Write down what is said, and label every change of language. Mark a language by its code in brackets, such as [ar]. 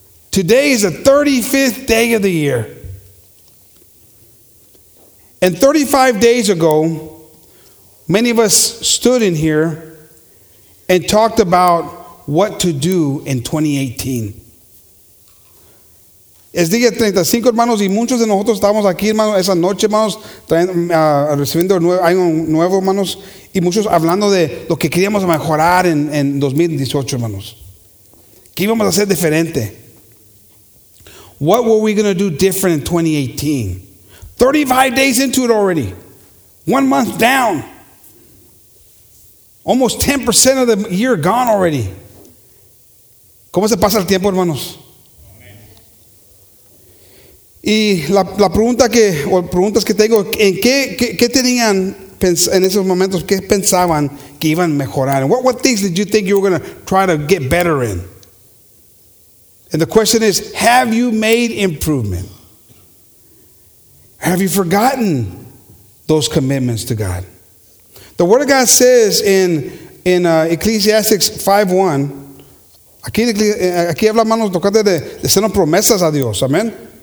[en] Today is the 35th day of the year. And 35 days ago, many of us stood in here and talked about what to do in 2018. [es] Es día 35, hermanos, y muchos de nosotros estábamos aquí, hermanos, esa noche, hermanos, recibiendo año nuevo, hermanos, y muchos hablando de lo que queríamos mejorar en 2018, hermanos. ¿Qué íbamos a hacer diferente? [en] What were we going to do different in 2018? 35 days into it already. 1 month down. Almost 10% of the year gone already. [es] ¿Cómo se pasa el tiempo, hermanos? Y la pregunta que, o preguntas que tengo, ¿en qué tenían en esos momentos? ¿Qué pensaban que iban a mejorar? [en] What things did you think you were going to try to get better in? And the question is, have you made improvement? Have you forgotten those commitments to God? The Word of God says in Ecclesiastes 5:1, [es] aquí habla, manos, tocate de hacer promesas a Dios. [en] Amen.